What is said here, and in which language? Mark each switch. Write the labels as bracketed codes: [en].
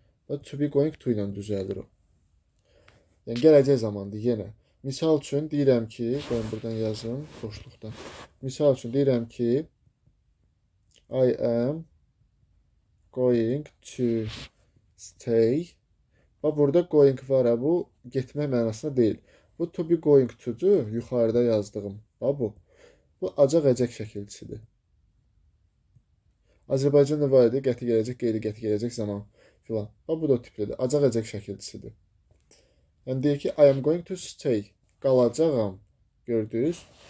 [az] Və to be going to ilə düzəlir o. Yəni, gələcək zamandır yenə. Misal üçün deyirəm ki, ben buradan yazım, boşluqdan. Misal üçün deyirəm ki, [en] I am going to stay. [az] Və burada going var, bu getmək mənasında deyil. Bu to be going to-dur, yuxarıda yazdığım. Və bu, bu acaq-əcək şəkilçidir. Azərbaycanda var idi, qəti gələcək, qeyri qəti gələcək zaman filan. Və bu da o tiplidir, acaq-əcək şəkilçidir. Yəni deyir ki, [en] I am going to stay. [az] Qalacağam, gördünüz.